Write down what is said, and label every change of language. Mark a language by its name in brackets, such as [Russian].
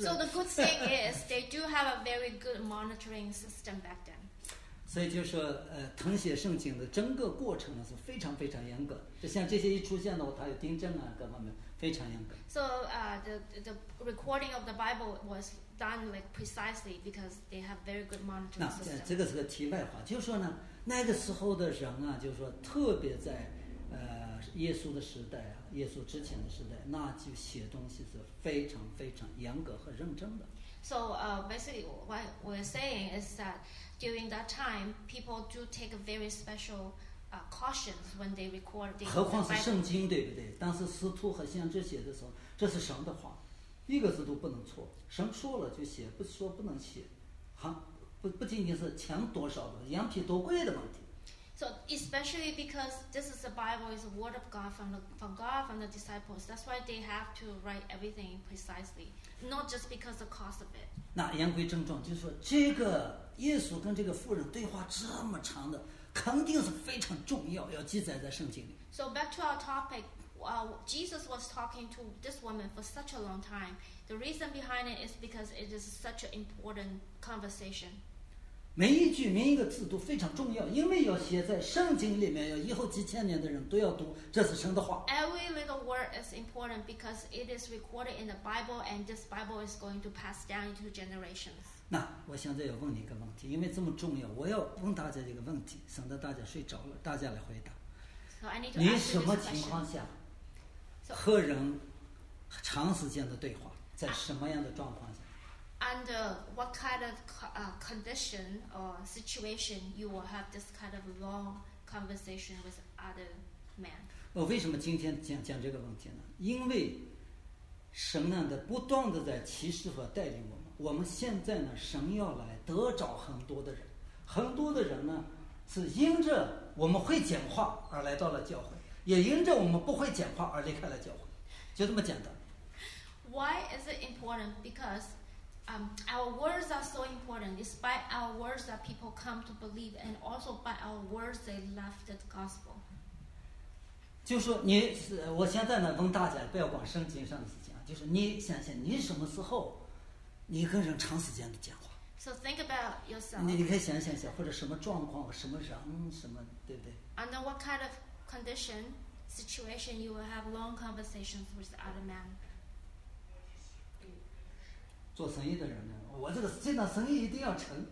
[English] So the good thing is they do have a very good monitoring system back then. [Chinese] 所以就是说，誊写圣经的整个过程呢是非常非常严格。就像这些一出现的话，它有订正啊，各方面非常严格。 [English] So the recording of the Bible was done like precisely because they have very good monitoring system. [Chinese] 那这个是个题外话，就是说呢，那个时候的人啊，就是说特别在。耶稣的时代啊，耶稣之前的时代，那就写东西是非常非常严格和认真的。 [English] So, basically, what we're saying is that during that time, people do take a very special, cautions when they record the Bible. [Chinese] 何况是圣经，对不对？当时司徒和先知写的时候，这是神的话，一个字都不能错。神说了就写，不说不能写，哈，不仅仅是钱多少的，羊皮多贵的问题。 [English] So especially because this is the Bible, is the word of God from God, from the disciples. That's why they have to write everything precisely, not just because of the cost of it. [Chinese] 那言归正传，就是说这个耶稣跟这个妇人对话这么长的，肯定是非常重要，要记载在圣经里。 [English] So back to our topic, Jesus was talking to this woman for such a long time. The reason behind it is because it is such an important conversation. [Chinese] 每一句每一个字都非常重要，因为要写在圣经里面，要以后几千年的人都要读，这是神的话。 [English] Every little word is important because it is recorded in the Bible, and this Bible is going to pass down into generations. [Chinese] 那我现在要问你一个问题，因为这么重要，我要问大家一个问题，省得大家睡着了，大家来回答。 [English] So、 [Chinese] 你什么情况下和人长时间的对话，在什么样的状况下？ [English] Under what kind of condition or situation you will have this kind of long conversation with other men? [Chinese] 我为什么今天讲这个问题呢？因为神呢的不断的在启示和带领我们。我们现在呢，神要来得着很多的人，很多的人呢是因着我们会讲话而来到了教会，也因着我们不会讲话而离开了教会，就这么简单。 [English] Why is it important? Because our words are so important. It's by our words that people come to believe, and also by our words they love the gospel. [Chinese] 就说你是，我现在呢问大家，不要管圣经上的事情啊。就是你想想，你什么时候你跟人长时间的讲话 [English] ？So think about yourself. [Chinese] 你可以想，或者什么状况、什么人、什么，对不对 [English] ？Under what kind of condition, situation you will have long conversations with other men? [Chinese] 做生意的人呢，我这个这档生意一定要成。